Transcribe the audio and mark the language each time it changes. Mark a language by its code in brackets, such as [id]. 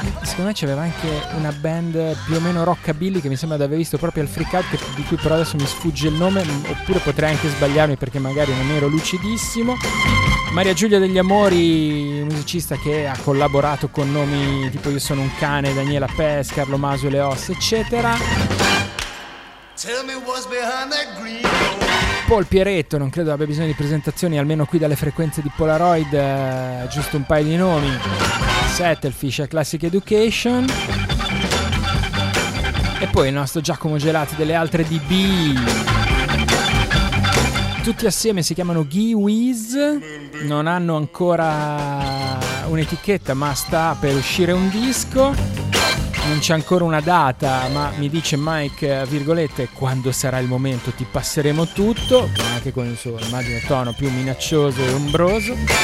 [it] Secondo me c'aveva anche una band più o meno rockabilly che mi sembra di aver visto proprio al Freakout, di cui però adesso mi sfugge il nome, oppure potrei anche sbagliarmi perché magari non ero lucidissimo. Maria Giulia degli Amori, musicista che ha collaborato con nomi tipo Io sono un cane, Daniela Pes, Carlo Masu e Le Os, eccetera. [en] Tell me what's behind that green. [it] Paul Pieretto, non credo abbia bisogno di presentazioni, almeno qui dalle frequenze di Polaroid, giusto un paio di nomi. Settlefish, Classic Education. E poi il nostro Giacomo Gelati delle altre DB. Tutti assieme si chiamano Gee-Wiz, non hanno ancora un'etichetta ma sta per uscire un disco. Non c'è ancora una data, ma mi dice Mike, virgolette, quando sarà il momento ti passeremo tutto, anche con il suo, immagino, tono più minaccioso e ombroso.